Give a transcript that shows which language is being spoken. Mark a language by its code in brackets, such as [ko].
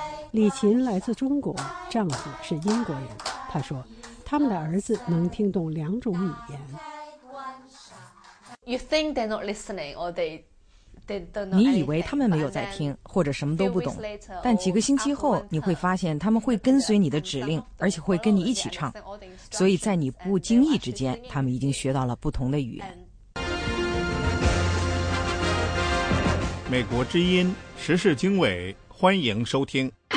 [zh] 李琴来自中国，丈夫是英国人。他说，他们的儿子能听懂2种语言。 [en] You think they're not listening, or they don't know anything, [zh] 你以为他们没有在听，或者什么都不懂，但几个星期后，你会发现他们会跟随你的指令，而且会跟你一起唱。所以在你不经意之间，他们已经学到了不同的语言。美国之音时事经纬，欢迎收听。